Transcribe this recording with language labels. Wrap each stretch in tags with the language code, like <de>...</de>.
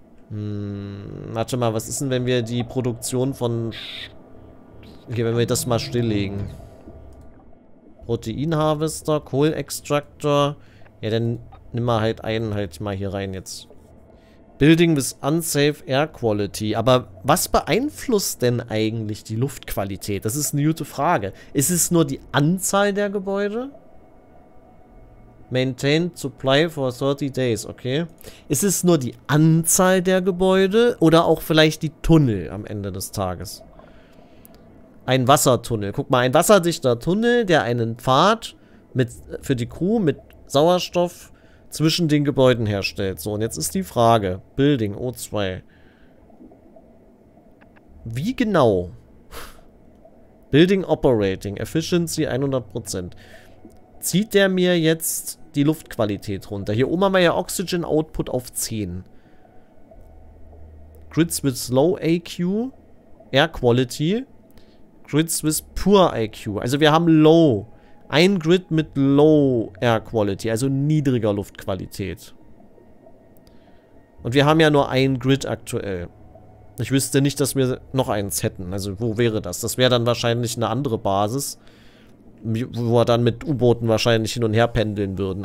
<de>Warte mal, was ist denn, wenn wir die Produktion von... Okay, wenn wir das mal stilllegen. Proteinharvester, Kohlextraktor. Ja, dann nimm mal halt einen halt mal hier rein jetzt.</de> <en>Building with unsafe air quality.</en> <de>Aber was beeinflusst denn eigentlich die Luftqualität? Das ist eine gute Frage. Ist es nur die Anzahl der Gebäude?</de> <en>Maintained supply for 30 days, okay.</en> <de>Ist es nur die Anzahl der Gebäude oder auch vielleicht die Tunnel am Ende des Tages? Ein Wassertunnel. Guck mal, ein wasserdichter Tunnel, der einen Pfad mit, für die Crew mit Sauerstoff zwischen den Gebäuden herstellt. So, und jetzt ist die Frage.</de> <en>Building, O2.</en> <de>Wie genau?</de> <en>Building Operating, Efficiency 100%.</en> <de>Zieht der mir jetzt die Luftqualität runter? Hier oben haben wir ja Oxygen Output auf 10.</de> <en>Grids with low AQ, Air Quality. Grids with poor IQ.</en> <de>Also wir haben low. Ein Grid mit low air quality, also niedriger Luftqualität. Und wir haben ja nur ein Grid aktuell. Ich wüsste nicht, dass wir noch eins hätten. Also wo wäre das? Das wäre dann wahrscheinlich eine andere Basis, wo wir dann mit U-Booten wahrscheinlich hin und her pendeln würden.</de>